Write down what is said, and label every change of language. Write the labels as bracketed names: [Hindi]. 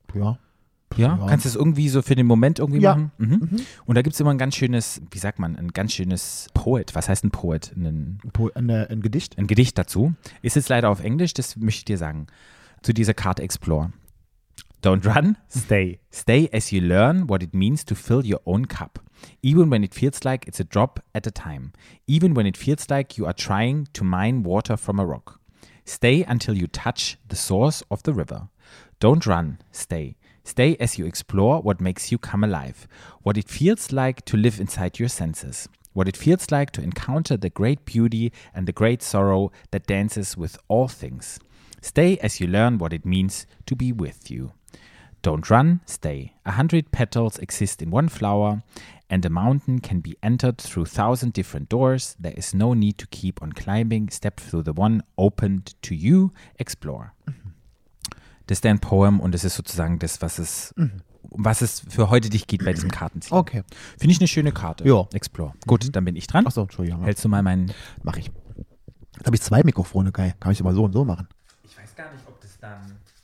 [German] Ja. Ja? Kannst du das irgendwie so für den Moment irgendwie machen? Mhm. Mhm. Und da gibt es immer ein ganz schönes, wie sagt man, ein ganz schönes Poet. Was heißt ein Poet? Ein Gedicht? Ein Gedicht dazu. Ist jetzt leider auf Englisch, das möchte ich dir sagen. Zu dieser Karte Explore. [English] Don't run, stay. Stay as you learn what it means to fill your own cup. Even when it feels like it's a drop at a time. Even when it feels like you are trying to mine water from a rock. Stay until you touch the source of the river. Don't run, stay. Stay as you explore what makes you come alive. What it feels like to live inside your senses. What it feels like to encounter the great beauty and the great sorrow that dances with all things. Stay as you learn what it means to be with you. Don't run, stay. 100 petals exist in one flower, and a mountain can be entered through 1,000 different doors. There is no need to keep on climbing. Step through the one opened to you. Explore. [German] Das ist dein Poem und das ist sozusagen das, was es für heute dich geht bei diesem Kartenziehen. Okay. Finde ich eine schöne Karte. Ja. Explore. Gut, dann bin ich dran. Achso, Entschuldigung. Hältst du mal meinen. Mach ich. Jetzt habe ich zwei Mikrofone, geil. Kann ich immer so und so machen. Ich weiß gar nicht, ob das dann.